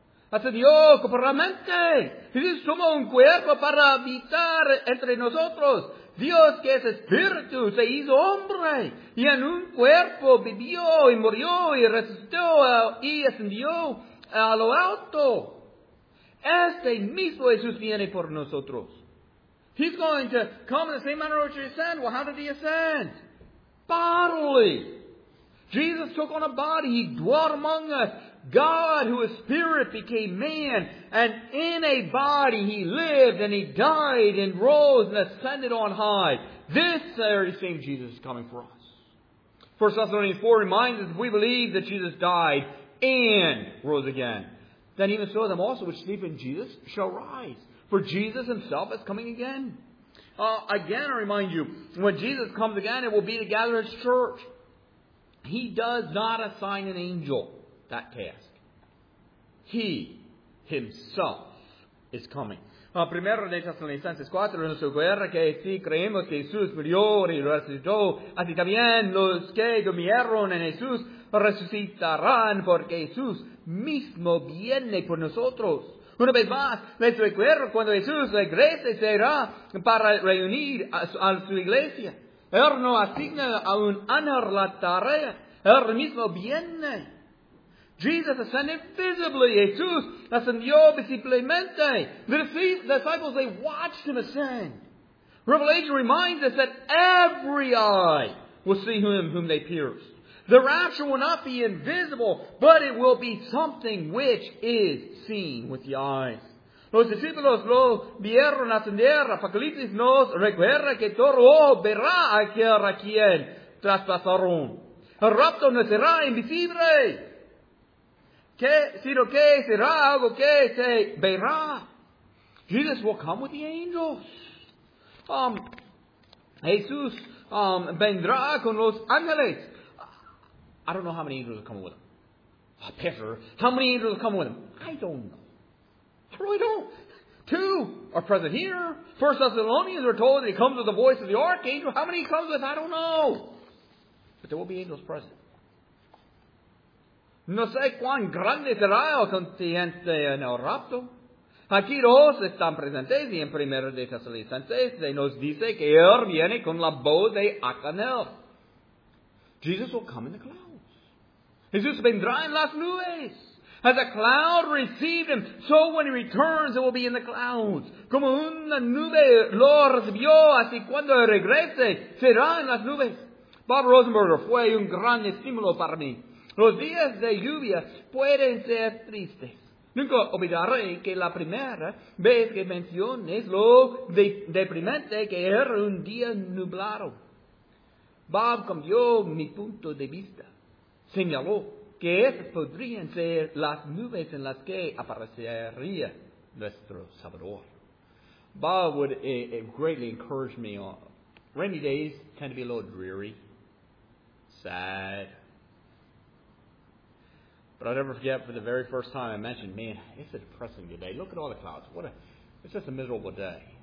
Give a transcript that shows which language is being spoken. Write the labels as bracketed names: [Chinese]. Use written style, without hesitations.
[Spanish] Ascendió corporalmente. Jesús tomó un cuerpo para habitar entre nosotros. Dios, que es espíritu, se hizo hombre. Y en un cuerpo vivió y murió y resucitó y ascendió a lo alto. Este mismo Jesús viene por nosotros. [English] He's going to come in the same manner which he ascended. Well, how did he ascend? Bodily. Jesus took on a body, he dwelt among us. God, who is spirit, became man, and in a body he lived and he died and rose and ascended on high. This very same Jesus is coming for us. 1 Thessalonians 4 reminds us, we believe that Jesus died and rose again. Then even so, them also which sleep in Jesus shall rise, for Jesus himself is coming again. Again, I remind you, when Jesus comes again, it will be to gather his church. He does not assign an angel that task. He himself is coming. [Spanish] Primero de Tesalonicenses 4, nos recuerda que si creemos que Jesús murió y resucitó, así también los que durmieron en Jesús resucitarán, porque Jesús mismo viene por nosotros. Una vez más, les recuerdo cuando Jesús regrese, será para reunir a su iglesia. Él no asigna a un ángel la tarea. El mismo viene. [English] Jesus ascended visibly. [Spanish] Jesús ascendió visiblemente. [English] The disciples, they watched him ascend. Revelation reminds us that every eye will see him whom they pierced. The rapture will not be invisible, but it will be something which is seen with the eyes. [Spanish] Los discípulos lo vieron ascender. Apocalipsis nos recuerda que todo ojo verá aquel a quien traspasaron. El rapto no será invisible, sino que será algo que se verá. [English] Jesus will come with the angels. [Spanish] Jesus vendrá con los ángeles. [English] I don't know how many angels are coming with him. Pastor, how many angels are coming with him? I don't know. I really don't. Two are present here. First Thessalonians are told that he comes with the voice of the archangel. How many he comes with? I don't know. But there will be angels present. [Spanish] No sé cuán grande será el contingente en el rapto. Aquí dos están presentes y en primero de Tesalicenses nos dice que él viene con la voz de Acanel. [English] Jesus will come in the clouds. [Spanish] Jesús vendrá en las nubes. [English] As a cloud received him, so when he returns, it will be in the clouds. [Spanish] Como una nube lo recibió, así cuando regrese, será en las nubes. Bob Rosenberger fue un gran estímulo para mí. Los días de lluvia pueden ser tristes. Nunca olvidaré que la primera vez que menciones lo deprimente que era un día nublado. Bob cambió mi punto de vista. Señaló que esas podrían ser las nubes en las que aparecería nuestro Salvador. [English] Bob would greatly encourage me. Rainy days tend to be a little dreary, sad. But I'll never forget for the very first time I mentioned, man, it's a depressing day. Look at all the clouds. It's just a miserable day.